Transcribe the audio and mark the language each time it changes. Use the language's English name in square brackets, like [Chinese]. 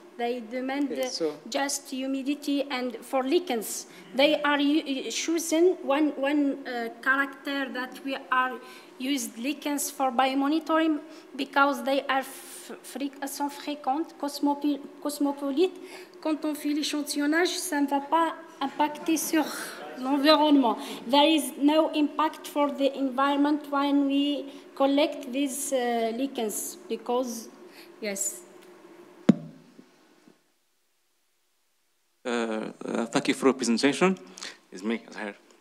[English] They demand just humidity, and for lichens, they are chosen one character that we are used lichens for biomonitoring because they are [French] sont fréquentes, cosmopolites. Quand on fait l'échantillonnage, ça ne va pas impacter sur l'environnement. [English] There is no impact for the environment when we collect these lichens because, yes. Thank you for your presentation. It's me, Zahir.